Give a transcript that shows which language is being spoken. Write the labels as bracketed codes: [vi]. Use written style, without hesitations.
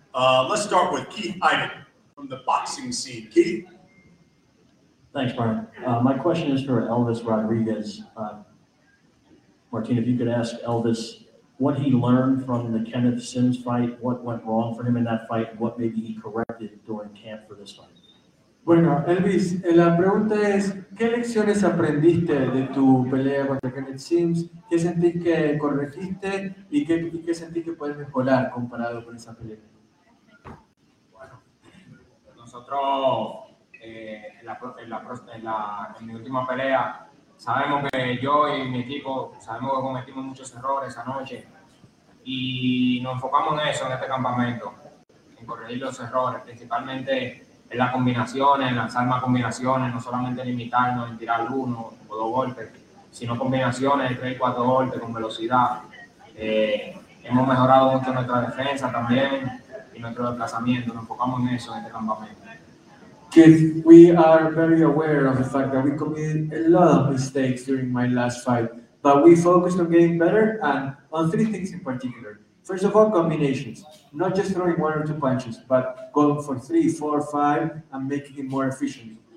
[en] Let's start with Keith Heiden from the boxing scene. Keith? Thanks, Brian. My question is for Elvis Rodriguez. Martin, if you could ask Elvis what he learned from the Kenneth Sims fight, what went wrong for him in that fight, what maybe he corrected during camp for this fight. [es] Bueno, Elvis, la pregunta es, ¿qué lecciones aprendiste de tu pelea contra Kenneth Sims? ¿Qué sentís que corregiste y qué sentís que puedes mejorar comparado con esa pelea? Bueno, nosotros en mi última pelea sabemos que yo y mi equipo sabemos que cometimos muchos errores anoche y nos enfocamos en eso, en este campamento, en corregir los errores, principalmente en las combinaciones, en lanzar más combinaciones, no solamente limitarnos en tirar uno o dos golpes, sino combinaciones de 3 o 4 golpes con velocidad. Hemos mejorado mucho nuestra defensa también y nuestro desplazamiento. Nos enfocamos en eso en este campamento. [en] We are very aware of the fact that we committed a lot of mistakes during my last fight, but we focused on getting better and on 3 things in particular. First of all, combinations. Not just throwing 1 or 2 punches, but going for 3, 4, 5 and making it more efficient.